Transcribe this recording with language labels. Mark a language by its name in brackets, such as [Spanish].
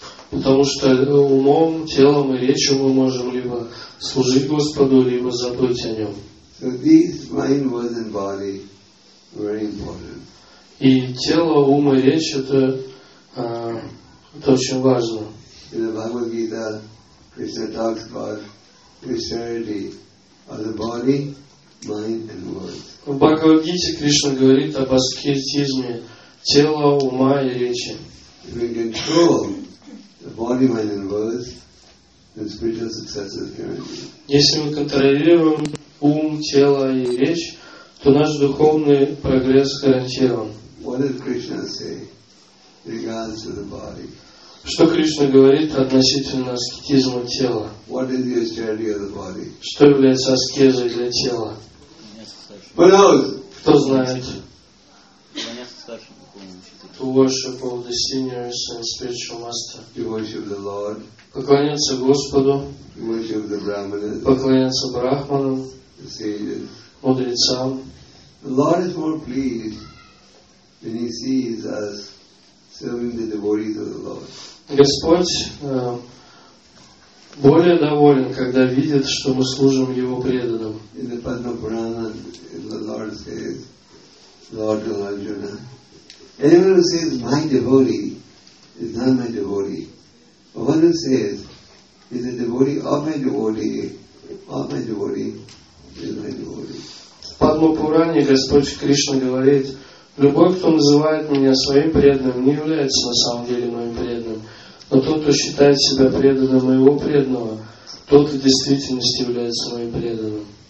[Russian] Потому что умом, телом и речью мы можем либо служить Господу, либо забыть о Нем. [English] So these mind, words and body are very important. [Russian] И тело, ум и речь это очень важно. [English] In the Bhagavad Gita, Krishna talks about sincerity of the body, mind and words. [Russian] В Бхагавад Гите Кришна говорит об аскетизме тела, ума и речи. [English] If we control the body, mind and words, then spiritual success is guaranteed. [Russian] Если мы контролируем ум, тело и речь, то наш духовный прогресс гарантирован. [English] What did Krishna say regards to the body? [Russian] Что Кришна говорит относительно аскетизма тела? [English] What is the austerity of the body? [Russian] Что является аскезой для тела? [English] Who knows? [Russian] Кто знает? [English] To worship all the seniors and spiritual master. To worship the Lord. [Russian] Поклоняться Господу. [English] To worship the Brahmanas. [Russian] Поклоняться Брахманам. Мудрецам. [English] The Lord is more pleased when he sees us serving the devotees of the Lord. [Russian] Господь более доволен, когда видит, что мы служим Его преданным. [English] In the Padma Purana, the Lord says, Lord Arjuna, anyone who says my devotee is not my devotee, but one who says is a devotee of my devotee, of my devotee. [Russian] В Падмапуране Господь Кришна говорит, любой, кто называет меня своим преданным, не является на самом деле моим преданным. Но тот, кто считает себя преданным моего преданного, тот в действительности является моим преданным.